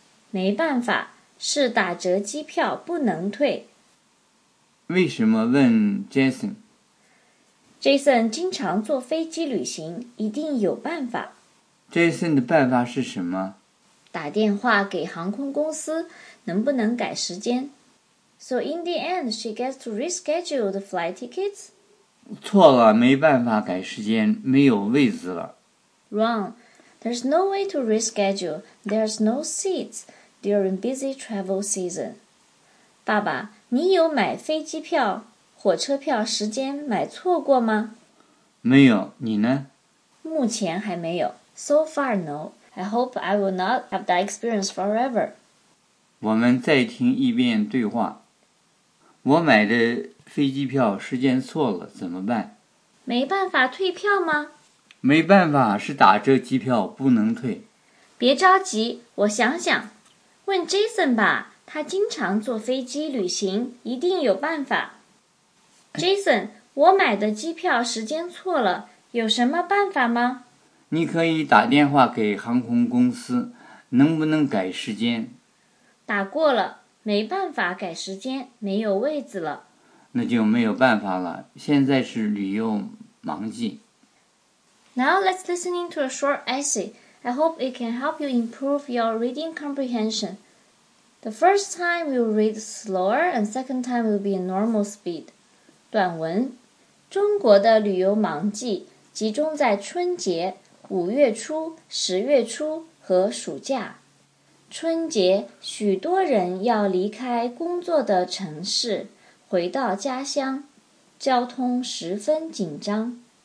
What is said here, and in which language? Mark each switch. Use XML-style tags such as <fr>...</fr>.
<zh>没办法，是打折机票不能退。为什么问 Jason？ Jason 经常坐飞机旅行，一定有办法。 Jason 的办法是什么？打电话给航空公司，能不能改时间？</zh> <en>So in the end, she gets to reschedule the flight tickets?</en> <zh>错了，没办法改时间，没有位子了。</zh> <en>Wrong. There's no way to reschedule. There's no seats during busy travel season.</en> <zh>爸爸，你有买飞机票火车票时间买错过吗？没有，你呢？目前还没有。</zh> <en>So far, no. I hope I will not have that experience forever.</en> <zh>我们再听一遍对话。我买的飞机票时间错了，怎么办？没办法退票吗？没办法，是打折机票，不能退。别着急，我想想。问 Jason 吧，他经常坐飞机旅行，一定有办法。 Jason, 我买的机票时间错了，有什么办法吗？你可以打电话给航空公司，能不能改时间？打过了，没办法改时间，没有位子了。那就没有办法了，现在是旅游忙季。</zh> <en>Now let's listen into a short essay. I hope it can help you improve your reading comprehension. The first time we'll read slower and second time will be a normal speed.</en> <zh>短文，中国的旅游忙季集中在春节、五月初、十月初和暑假。春节，许多人要离开工作的城市，回到家乡，交通十分紧张。</zh>